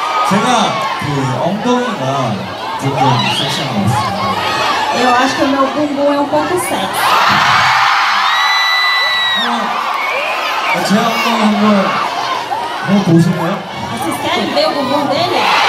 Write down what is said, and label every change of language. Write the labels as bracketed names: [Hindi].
[Korean] 제가 그 엉덩이가 조금 섹시한 것 같습니다. [Portuguese] Eu acho que o meu bumbum é um pouco sexy. [Korean] 제 엉덩이 한번 보실래요? [Portuguese] Vocês querem ver o bumbum dele?